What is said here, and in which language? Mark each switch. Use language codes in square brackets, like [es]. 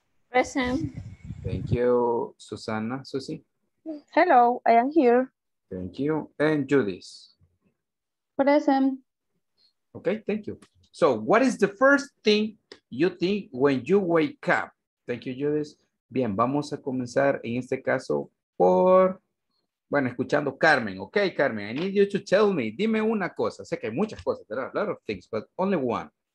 [en] Present. Thank you. Susana, Susie. Hello, I am here. Thank you. And Judith. Present. Okay, thank you. So, what is the first thing you think when you wake up? Thank you, Judith. [es] Bien, vamos a comenzar en este caso por, bueno, escuchando Carmen. [en] Okay, Carmen, I need you to tell me. [es] Dime una cosa. Sé que hay muchas cosas. [en] There are a lot of things, but only one.